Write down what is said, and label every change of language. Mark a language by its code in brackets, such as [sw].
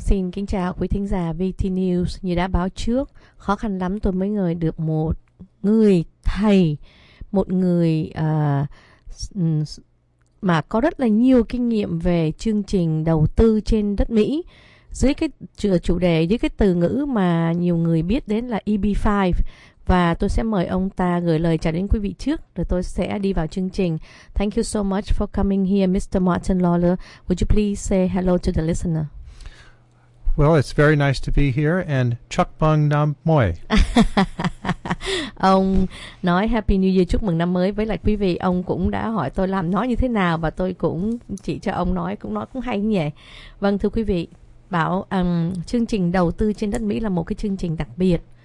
[vi] Xin kính chào quý thính giả VT News. Như đã báo trước, khó khăn lắm tôi mới ngời được một người thầy, một người mà có rất là nhiều kinh nghiệm về chương trình đầu tư trên đất Mỹ. Dưới cái chủ đề, dưới cái từ ngữ mà nhiều người biết đến là EB-5. Và tôi sẽ mời ông ta gửi lời chào đến quý vị trước, rồi tôi sẽ đi vào chương trình. [en] Thank you so much for coming here, Mr. Martin Lawler. Would you please say hello to the listener? Well, it's very nice to be here, and [vi] Chúc mừng năm mới. Ông nói Happy New Year, chúc mừng năm mới với lại quý vị. Ông cũng đã hỏi tôi làm nói như thế nào, và tôi cũng chỉ cho ông nói cũng hay nhỉ. Vâng, thưa quý vị, chương trình đầu tư trên đất Mỹ là một cái chương trình đặc biệt.